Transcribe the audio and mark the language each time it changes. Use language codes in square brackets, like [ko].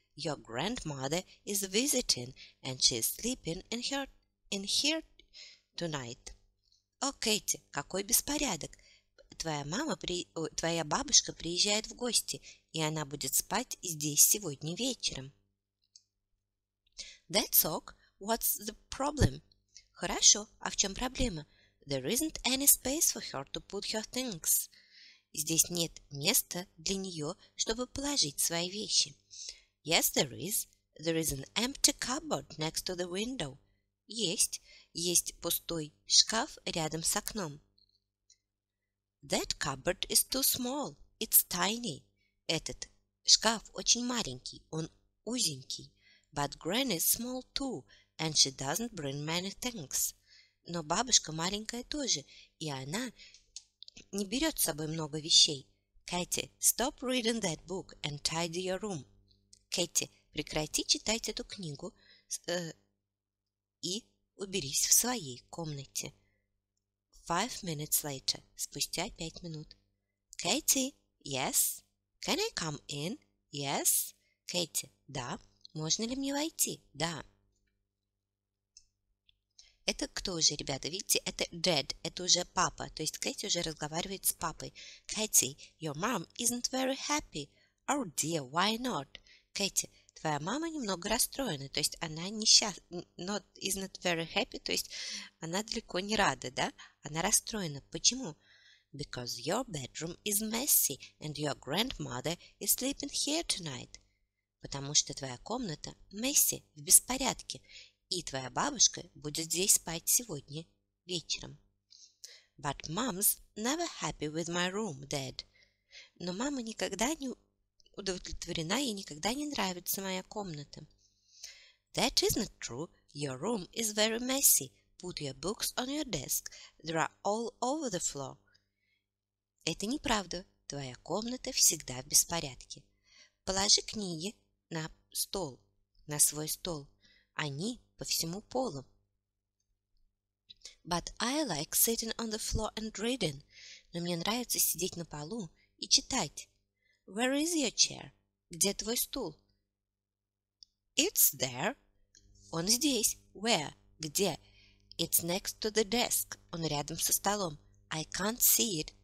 [en] Your grandmother is visiting and she's sleeping in here. Tonight. [ru] О, Кэти, какой беспорядок! Твоя бабушка приезжает в гости, и она будет спать здесь сегодня вечером. [en] That's ok. What's the problem? [ru] Хорошо, а в чем проблема? [en] There isn't any space for her to put her things. [ru] Здесь нет места для нее, чтобы положить свои вещи. [en] Yes, there is. There is an empty cupboard next to the window. [ru] Есть пустой шкаф рядом с окном. [en] That cupboard is too small. It's tiny. [ru] Этот шкаф очень маленький, он узенький. [en] But Granny is small too, and she doesn't bring many things. [ru] Но бабушка маленькая тоже, и она не берет с собой много вещей. [en] Katie, stop reading that book and tidy your room. [ru] Katie, прекрати читать эту книгу и уберись в своей комнате. [en] 5 minutes later. [ru] Спустя 5 минут. [en] Katie, yes? Can I come in? Yes? Katie, да. [ru] Можно ли мне войти? Да. Это кто же, ребята? Видите, это dad, это уже папа. То есть Katie уже разговаривает с папой. [en] Katie, your mom isn't very happy. Oh dear, why not? [ru] Katie, твоя мама немного расстроена, то есть она несчастна, [en] not, is not very happy, [ru] то есть она далеко не рада, да? Она расстроена. Почему? [en] Because your bedroom is messy and your grandmother is sleeping here tonight. [ru] Потому что твоя комната messy, в беспорядке, и твоя бабушка будет здесь спать сегодня вечером. [en] But mom's never happy with my room, Dad. [ru] Но мама никогда не удовлетворена, ей никогда не нравится моя комната. [en] That is not true. Your room is very messy. Put your books on your desk. They are all over the floor. [ru] Это неправда. Твоя комната всегда в беспорядке. Положи книги на стол, на свой стол. Они по всему полу. [en] But I like sitting on the floor and reading. [ru] Но мне нравится сидеть на полу и читать. [en] Where is your chair? [ru] Где твой стул? [en] It's there. [ru] Он здесь. [en] Where? [ru] Где? [en] It's next to the desk. [ru] Он рядом со столом. [en] I can't see it.